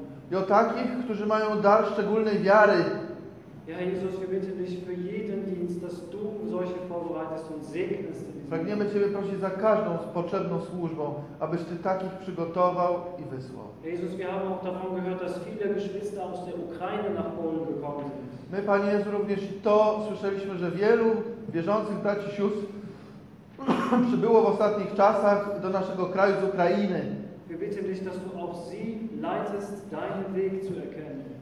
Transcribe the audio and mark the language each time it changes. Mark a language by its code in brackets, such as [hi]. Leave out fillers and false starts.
[pl] I o takich, którzy mają dar szczególnej wiary. [de] Ja, Jezus, wir bitten dich für jeden Dienst, dass du solche vorbereitest und segnest. [pl] Pragniemy Ciebie prosić za każdą potrzebną służbą, abyś Ty takich przygotował i wysłał. [de] Jezus, wir haben auch davon gehört, dass viele Geschwister aus der Ukraine nach Polen gekommen sind. [pl] My, Panie Jezu, również to słyszeliśmy, że wielu wierzących braci sióstr przybyło w ostatnich czasach do naszego kraju z Ukrainy. [de] Wir bitten dich, dass du auch sie leitest, deinen Weg zu erkennen.